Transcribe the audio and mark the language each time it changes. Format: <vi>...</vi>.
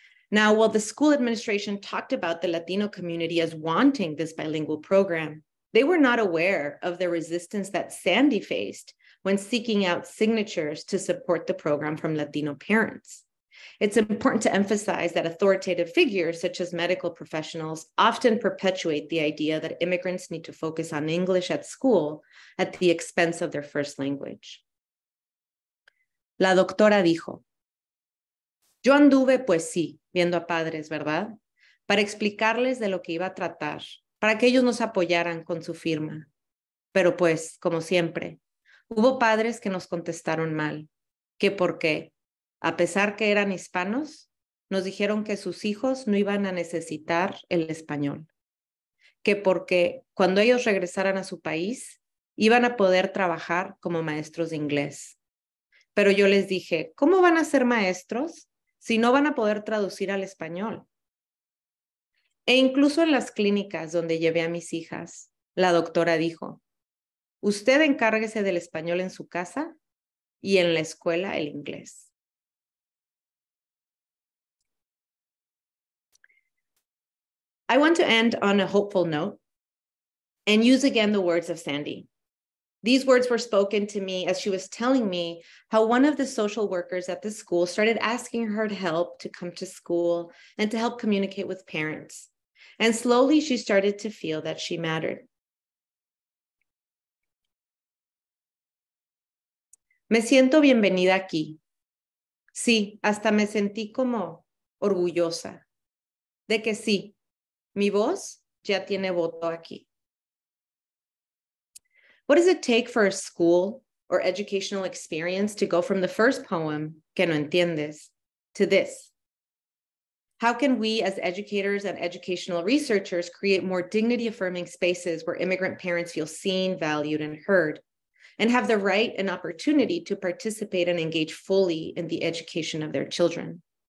<en>Now, while the school administration talked about the Latino community as wanting this bilingual program, they were not aware of the resistance that Sandy faced when seeking out signatures to support the program from Latino parents. It's important to emphasize that authoritative figures, such as medical professionals, often perpetuate the idea that immigrants need to focus on English at school at the expense of their first language.</en> <es>La doctora dijo, yo anduve, pues sí, viendo a padres, ¿verdad? Para explicarles de lo que iba a tratar, para que ellos nos apoyaran con su firma. Pero pues, como siempre, hubo padres que nos contestaron mal, que por qué, a pesar que eran hispanos, nos dijeron que sus hijos no iban a necesitar el español, que porque cuando ellos regresaran a su país, iban a poder trabajar como maestros de inglés. Pero yo les dije, ¿cómo van a ser maestros si no van a poder traducir al español? E incluso en las clínicas donde llevé a mis hijas, la doctora dijo, usted encárguese del español en su casa y en la escuela el inglés.</es> <en>I want to end on a hopeful note and use again the words of Sandy. These words were spoken to me as she was telling me how one of the social workers at the school started asking her to help to come to school and to help communicate with parents. And slowly she started to feel that she mattered.</en> <es>Me siento bienvenida aquí. Sí, hasta me sentí como orgullosa. De que sí, mi voz ya tiene voto aquí.</es> <en>What does it take for a school or educational experience to go from the first poem,</en> <es>que no entiendes,</es> <en>to this? How can we as educators and educational researchers create more dignity-affirming spaces where immigrant parents feel seen, valued, and heard, and have the right and opportunity to participate and engage fully in the education of their children?</en>